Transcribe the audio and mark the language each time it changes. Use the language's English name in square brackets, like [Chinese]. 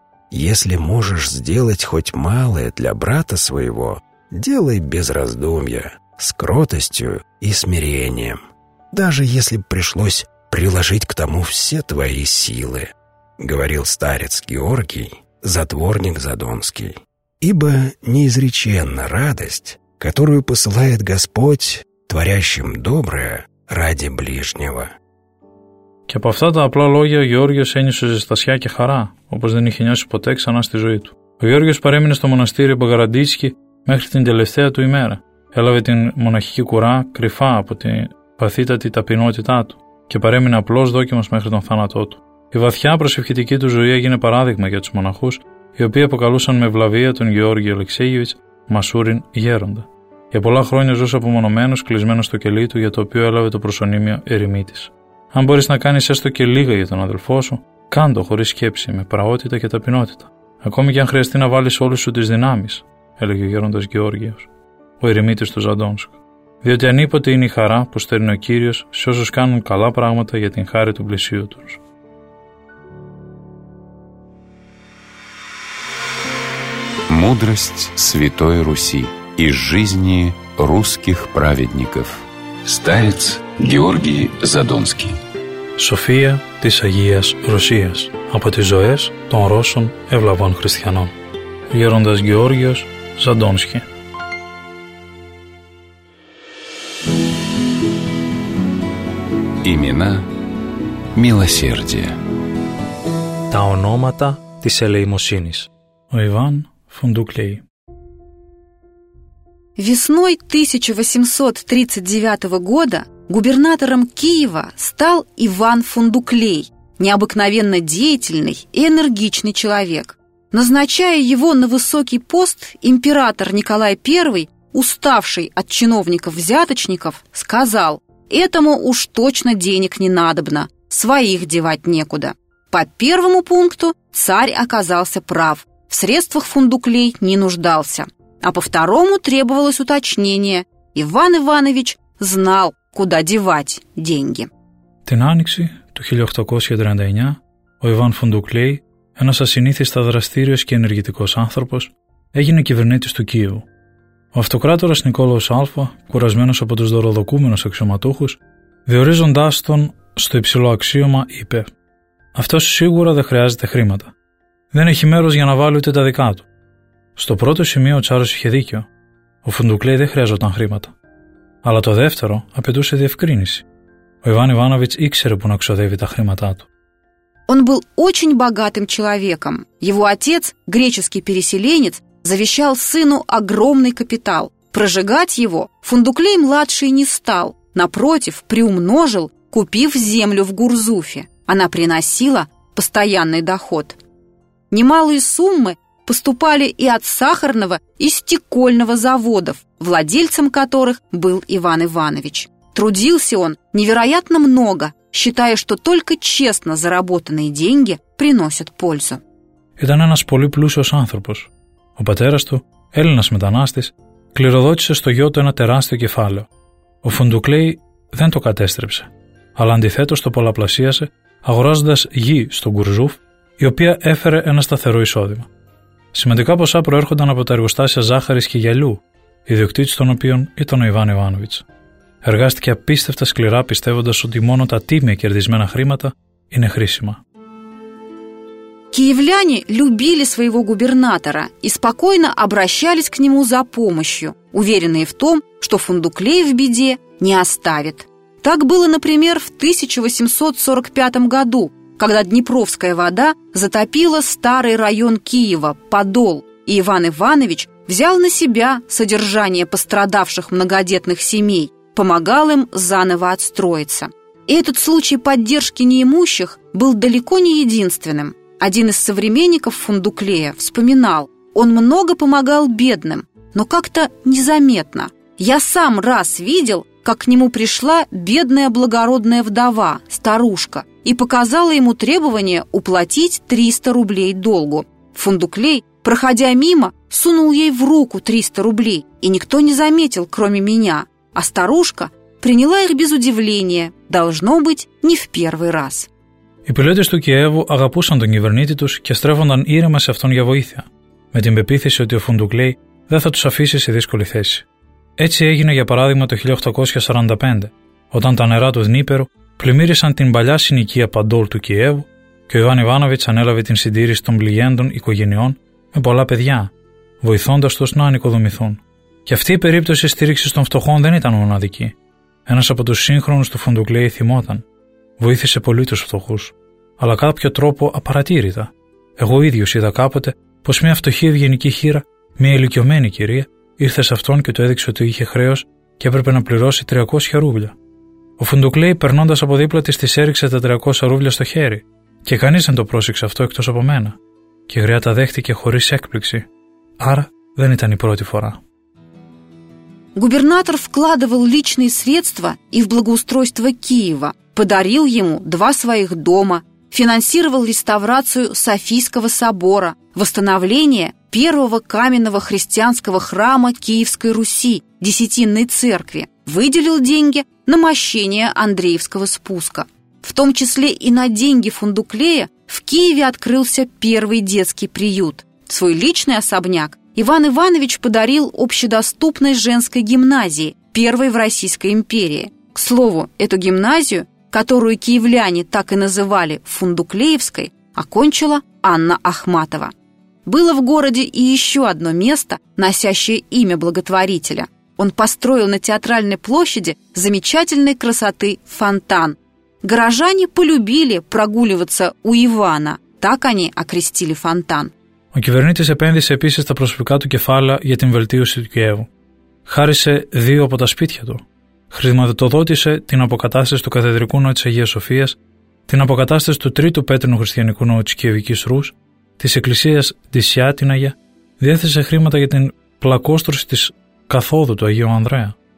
[Russian] Если можешь сделать хоть малое для брата своего, делай без раздумья, с кротостью и смирением, даже если б пришлось приложить к тому все твои силы, говорил старец Георгий, затворник Задонский. Ибо неизреченна радость, которую посылает Господь творящим доброе ради ближнего. [Greek] Και από αυτά τα απλά λόγια ο Γεώργιος ένιωσε ζεστασιά και χαρά, όπως δεν είχε νιώσει ποτέ ξανά στη ζωή του. Ο Γεώργιος παρέμεινε στο μοναστήριο Μπογαραντίσκι μέχρι την τελευταία του ημέρα. Έλαβε την μοναχική κουρά κρυφά από την παθήτατη ταπεινότητά του και παρέμεινε απλός δόκιμος μέχρι τον θάνατό του. Η βαθιά προσευχητική του ζωή έγινε παράδειγμα για τους μοναχούς, οι οποίοι αποκαλούσαν με ευλαβία τον Γεώργιο Αλεξέγιβιτς Μασούριν γέροντα. Για πολλά χρόνια ζούσε απομονωμένος, κλεισμένος στο κελί του, για το οποίο έλαβε το προσωνύμιο Ερημίτης. Αν μπορείς να κάνεις έστω και λίγα για τον αδελφό σου, κάντο χωρίς σκέψη, με πραότητα και ταπεινότητα. Ακόμη και αν χρειαστεί να βάλεις όλες σου τις δυνάμεις, έλεγε ο γέροντας Γεώργιος, ο Ερημίτης του Ζαντόνσκ. Διότι ανίποτε είναι η χαρά που στέρνει ο Κύριος σε όσους κάνουν καλά πράγματα για την χάρη του πλησίου του. [Russian] Мудрость Святой Руси из жизни русских праведников. Старец Георгий Задонский. [Greek] София της Агίας Ρωσίας. Από τις ζωές των Ρώσων ευλαβών χριστιανών. Γέροντας Γεώργιος Ζαντόνσκι. [Russian] Имена милосердия. [Greek] Τα ονόματα της ελεημοσύνης. [Russian] Ο Иван Фундуклей. Весной 1839 года губернатором Киева стал Иван Фундуклей, необыкновенно деятельный и энергичный человек. Назначая его на высокий пост, император Николай I, уставший от чиновников-взяточников, сказал: «Этому уж точно денег не надобно, своих девать некуда». По первому пункту царь оказался прав. В средствах Фундуклей не нуждался. А по второму требовалось уточнение. Иван Иванович знал, куда девать деньги. [Greek] Την άνοιξη του 1839, ο Иван Фундуклей, ένας ασυνήθιστα δραστήριος και ενεργητικός άνθρωπος, έγινε κυβερνήτης του Κίεβου. Ο αυτοκράτορας Νικόλαος Α, κουρασμένος από τους δωροδοκούμενους αξιωματούχους, διορίζοντάς τον στο υψηλό αξίωμα, είπε: «Αυτός σίγουρα δεν χρειάζεται χρήματα. Δεν έχει μέρος για να βάλει ούτε τα δικά του». Στο πρώτο σημείο ο τσάρος είχε δίκιο. Ο Φουντουκλέη δεν χρειαζόταν χρήματα. Αλλά το δεύτερο απαιτούσε διευκρίνηση. Ο Ιβάν Ιβάνοβιτς ήξερε που να ξοδεύει τα χρήματά του. [Russian] Он был очень богатым человеком. Его отец, греческий переселенец, завещал сыну огромный капитал. Прожигать его Фундуклей младший не стал. Напротив, приумножил, купив землю в Гурзуфе. Она приносила постоянный доход. Немалые суммы поступали и от сахарного, и стекольного заводов, владельцем которых был Иван Иванович. Трудился он невероятно много, считая, что только честно заработанные деньги приносят пользу. [Greek] Ήταν ένας πολύ πλούσιος άνθρωπος. Ο πατέρας του, Έλληνας μετανάστης, κληροδότησε στο γιο του ένα τεράστιο κεφάλαιο. Ο Φουντουκλέη δεν το κατέστρεψε, αλλά αντιθέτως το πολλαπλασίασε, αγοράζοντας γη στον Κουρζούφ, η οποία έφερε ένα σταθερό εισόδημα. Σημαντικά ποσά προέρχονταν από τα εργοστάσια ζάχαρης και γυαλιού, ιδιοκτήτης των οποίων ήταν ο Ιβάν Ιβάνοβιτς. Εργάστηκε απίστευτα σκληρά, πιστεύοντας ότι μόνο τα τίμια κερδισμένα χρήματα είναι χρήσιμα. [Russian] Киевляне любили своего губернатора и спокойно обращались к нему за помощью, уверенные в том, что Фундуклей в беде не оставит. Так было, например, в 1845 году, когда Днепровская вода затопила старый район Киева, Подол, и Иван Иванович взял на себя содержание пострадавших многодетных семей, помогал им заново отстроиться. И этот случай поддержки неимущих был далеко не единственным. Один из современников Фундуклея вспоминал: «Он много помогал бедным, но как-то незаметно. Я сам раз видел, как к нему пришла бедная благородная вдова, старушка, и показала ему требование уплатить 300 рублей долгу. Фундуклей, проходя мимо, сунул ей в руку 300 рублей, и никто не заметил, кроме меня. А старушка приняла их без удивления, должно быть, не в первый раз». [Greek] Οι πολίτες του Κιέβου αγαπούσαν τον κυβερνήτη τους και στρέφονταν ήρεμα σε αυτόν για βοήθεια, με την πεποίθηση ότι ο Φουντουκλέη δεν θα τους αφήσει σε δύσκολη θέση. Έτσι έγινε, για παράδειγμα, το 1845, όταν τα νερά του Δνίπερου πλημμύρισαν την παλιά συνοικία Παντόλ του Κιέβου και ο Ιβάν Ιβάνοβιτς ανέλαβε την συντήρηση των πληγέντων οικογενειών με πολλά παιδιά, βοηθώντας τους να ανοικοδομηθούν. Και αυτή η περίπτωση στήριξης των φτωχών δεν ήταν μοναδική. Ένας από τους σύγχρονους του Φουντουκλέη θυμόταν: «Βοήθησε πολύ τους φτωχούς, αλλά κάποιο τρόπο απαρατήρητα. Εγώ ίδιος είδα κάποτε πως μια φτωχή ευγενική χείρα, μια ηλικιωμένη κυρία, ήρθε σε αυτόν και του έδειξε ότι είχε χρέος και έπρεπε να πληρώσει 300 ρούβλια. Ο Φουντουκλέη, περνώντας από δίπλα της έριξε τα 300 ρούβλια στο χέρι, και κανείς δεν το πρόσεξε αυτό εκτός από μένα. Και η γριά τα δέχτηκε χωρίς έκπληξη. Άρα δεν ήταν η πρώτη φορά». [Russian] Губернатор вкладывал личные средства и в благоустройство Киева, подарил ему два своих дома, финансировал реставрацию Софийского собора, восстановление первого каменного христианского храма Киевской Руси, Десятинной церкви, выделил деньги на мощение Андреевского спуска. В том числе и на деньги Фундуклея в Киеве открылся первый детский приют. Свой личный особняк Иван Иванович подарил общедоступной женской гимназии, первой в Российской империи. К слову, эту гимназию, которую киевляне так и называли Фундуклеевской, окончила Анна Ахматова. Было в городе и еще одно место, носящее имя благотворителя. Он построил на Театральной площади замечательной красоты фонтан. Горожане полюбили прогуливаться у Ивана, так они окрестили фонтан. [Greek] Ο κυβερνήτης επένδυσε επίσης τα προσωπικά του κεφάλαια για την βελτίωση του Κιέβου. Χάρισε δύο από τα σπίτια του. Χρηματοδότησε την αποκατάσταση του Καθεδρικού Ναού της Αγίας Σοφίας, την αποκατάσταση του Τρίτου Πέτρινου Χριστιανικού Ναού της Κιεβικής Ρούς, της Εκκλησίας Ντυσιά την Αγία, διέθεσε χρήματα για την πλακόστρωση της καθόδου του Αγίου Ανδρέα.